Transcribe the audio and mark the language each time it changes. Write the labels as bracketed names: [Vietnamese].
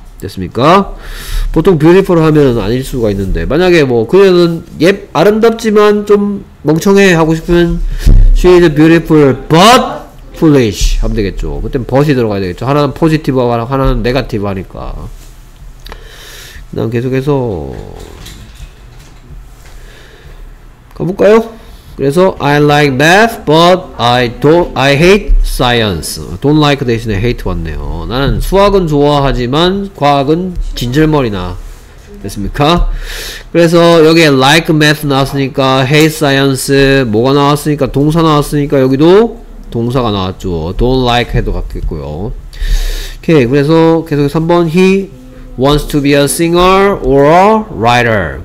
[Korean] 됐습니까? 보통 beautiful 하면 아닐 수가 있는데 만약에 뭐 그녀는 yep 아름답지만 좀 멍청해 하고 싶으면 [English] she is beautiful but foolish [Korean] 하면 되겠죠. 그땐 but이 들어가야 되겠죠. 하나는 positive 하나는 negative 하니까. 그다음 계속해서 가볼까요? 그래서 [English] I like math but I hate science. Don't like [Korean] 대신에 hate 왔네요. 나는 수학은 좋아하지만 과학은 진절머리나. 됐습니까? 그래서 여기에 [English] like math [Korean] 나왔으니까 [English] hate science [Korean] 뭐가 나왔으니까 동사 나왔으니까 여기도 동사가 나왔죠. [English] Don't like [Korean] 해도 같겠고요. 오케이. 그래서 계속 3번 [English] he wants to be a singer or a writer.